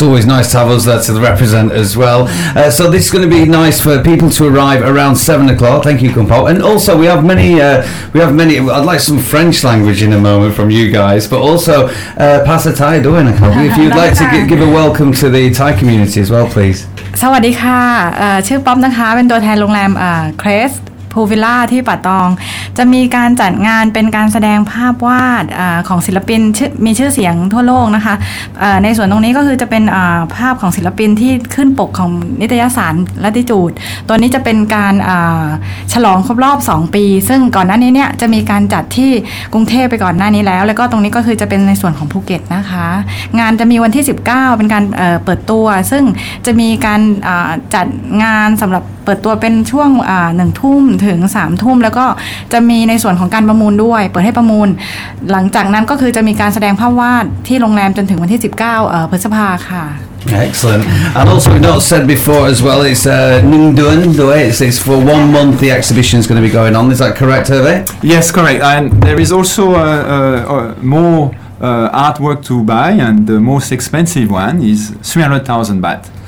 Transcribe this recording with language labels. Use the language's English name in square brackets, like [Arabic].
[English] Always nice to have us there to represent as well. So this is going to be nice for people to arrive around 7 o'clock. Thank you, Kun Pop. And also we have many I'd like some French language in a moment from you guys, but also Pasa Thai Doen, if you'd like to give a welcome to the Thai community as well, please. [Thai] สวัสดีค่ะชื่อป๊อปนะคะเป็นตัวแทนโรงแรมเครส ภูวิลล่าที่ป่าตองจะมีการจัดงานเป็นการแสดงภาพวาดของศิลปินมีชื่อเสียงทั่วโลกนะคะในส่วนตรงนี้ก็คือจะเป็นภาพของศิลปินที่ขึ้นปกของนิตยสารลัตติจูดตัวนี้จะเป็นการ ฉลองครบรอบ2ปีซึ่งก่อนหน้านี้เนี่ยจะมีการจัดที่กรุงเทพไปก่อนหน้านี้แล้วแล้วก็ตรงนี้ก็คือจะเป็นในส่วนของภูเก็ตนะคะงานจะมีวันที่19เป็นการเปิดตัวซึ่งจะมีการจัดงานสำหรับเปิดตัวเป็นช่วง1 ทุ่มถึง 3 ทุ่มแล้วก็จะมีในส่วนของการประมูลด้วยเปิดให้ประมูลหลังจากนั้นก็คือจะมีการแสดงภาพวาดที่โรงแรมจนถึงวันที่19พฤษภาค่ะ [English] Excellent. And also we've not said before as well, it's Ningdun, the way it's for 1 month the exhibition is going to be going on. Is that correct, Hervé? Yes, correct. And there is also more artwork to buy and the most expensive one is 300,000 baht.